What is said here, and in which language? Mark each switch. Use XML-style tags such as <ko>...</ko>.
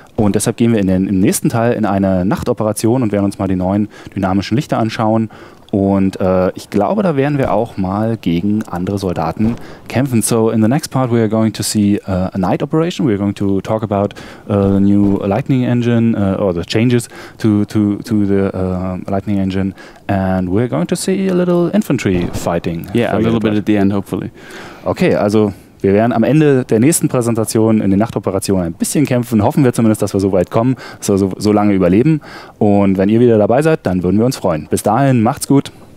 <de>Und deshalb gehen wir im nächsten Teil in eine Nachtoperation und werden uns mal die neuen dynamischen Lichter anschauen. Und ich glaube, da werden wir auch mal gegen andere Soldaten kämpfen.</de> <en>So in the next part we are going to see a night operation. We are going to talk about the new lightning engine or the changes to the lightning engine. And we're going to see a little infantry fighting. Yeah, a little bit at the end, hopefully.</en> <de>Okay, also wir werden am Ende der nächsten Präsentation in den Nachtoperationen ein bisschen kämpfen. Hoffen wir zumindest, dass wir so weit kommen, dass wir so lange überleben. Und wenn ihr wieder dabei seid, dann würden wir uns freuen. Bis dahin, macht's gut.</de>